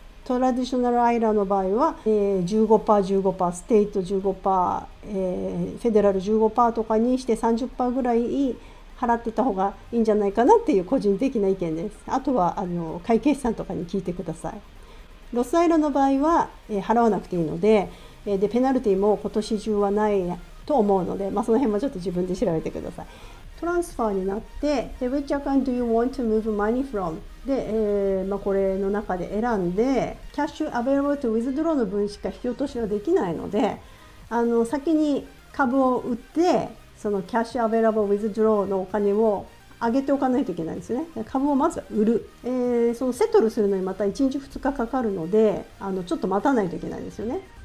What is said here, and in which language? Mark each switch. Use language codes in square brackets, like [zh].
[ja] トラディショナルアイラーの場合は、15%、15%、ステイト 15%、フェデラル 15% とかにして 30% ぐらい払ってた方がいいんじゃないかなっていう個人的な意見です。あとは会計士さんとかに聞いてください。ロスアイラーの場合は、払わなくていいので、でペナルティも今年中はないと思うので、まあ、その辺もちょっと自分で調べてください。トランスファーになって、 [en] Which account do you want to move money from? [ja] で、まあ、これの中で選んで、キャッシュアベイラブルとウィズドローの分しか引き落としはできないので、先に株を売ってそのキャッシュアベイラブルウィズドローのお金を上げておかないといけないんですね。株をまず売る、そのセトルするのにまた1日2日かかるので、ちょっと待たないといけないですよね。